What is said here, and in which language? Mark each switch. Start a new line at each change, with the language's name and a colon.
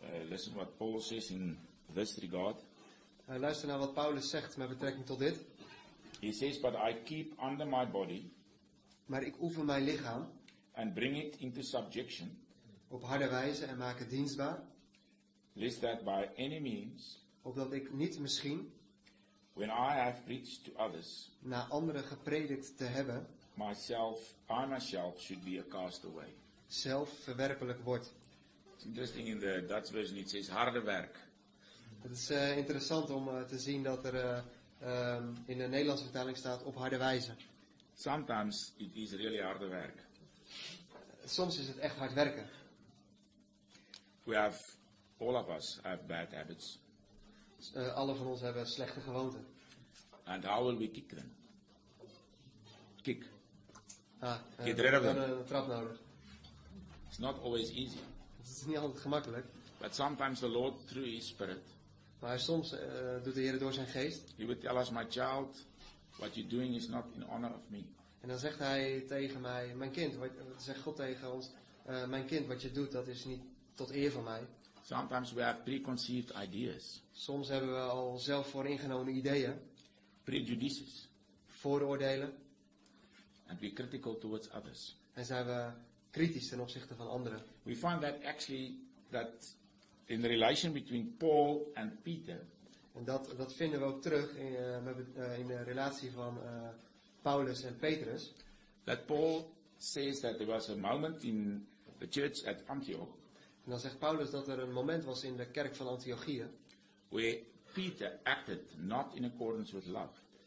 English: Listen what Paul says in this regard.
Dutch: Luister naar wat Paulus zegt met betrekking tot dit.
English: He says, but I keep under my body.
Dutch: Maar ik oefen mijn lichaam.
English: And bring it into subjection.
Dutch: Op harde wijze en maak het dienstbaar.
English: Lest that by any means.
Dutch: Opdat ik niet misschien.
English: When I have preached to others.
Dutch: Na anderen gepredikt te hebben.
English: Myself, I myself should be a castaway.
Dutch: Zelf verwerpelijk wordt.
English: It's interesting in the Dutch version it says
Dutch: harde werk. Het is interessant om te zien dat er in de Nederlandse vertaling staat op harde wijze.
English: Sometimes it is really
Dutch: harde werk. Soms is het echt hard werken.
English: We have, all of us have bad habits.
Dutch: Alle van ons hebben slechte gewoonten.
English: And how will we kick them? Kick. Get rid of them.
Dutch: We hebben een trap nodig.
English: It's not always easy.
Dutch: Het is niet altijd gemakkelijk.
English: But sometimes the Lord through His Spirit.
Dutch: Maar soms doet de Heer door zijn geest.
English: He would tell us, my child, what you're doing is not in honor of me.
Dutch: En dan zegt Hij tegen mij, mijn kind, zegt God tegen ons, mijn kind, wat je doet, dat is niet tot eer van mij.
English: Sometimes we have preconceived ideas.
Dutch: Soms hebben we al zelf vooringenomen ideeën.
English: Prejudices.
Dutch: Vooroordelen.
English: And be critical towards others.
Dutch: En zijn we kritisch ten opzichte van anderen.
English: We find that actually that in the relation between Paul and Peter.
Dutch: En dat vinden we ook terug in de relatie van Paulus en Petrus.
English: That Paul says that there was a moment in the church at Antioch.
Dutch: En dan zegt Paulus dat er een moment was in de kerk van Antiochië.
English: Where Peter acted not in accordance with love.